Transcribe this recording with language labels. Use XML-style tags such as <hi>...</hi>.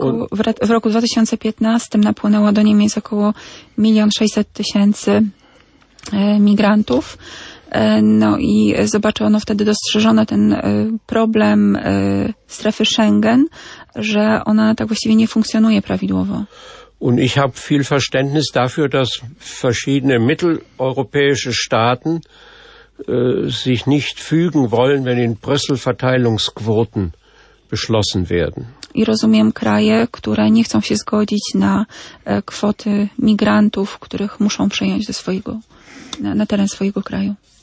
<pl>W roku 2015 napłynęło do Niemiec około 1 600 000 migrantów. No i zobaczono wtedy, dostrzeżono ten problem strefy Schengen, że ona tak właściwie nie funkcjonuje prawidłowo.</pl> <de>Und ich habe viel Verständnis dafür, dass verschiedene mitteleuropäische Staaten sich nicht fügen wollen, wenn in Brüssel Verteilungsquoten beschlossen werden.</de> <pl>I rozumiem kraje, które nie chcą się zgodzić na kwoty migrantów, których muszą przyjąć do swojego, na teren swojego kraju.</pl>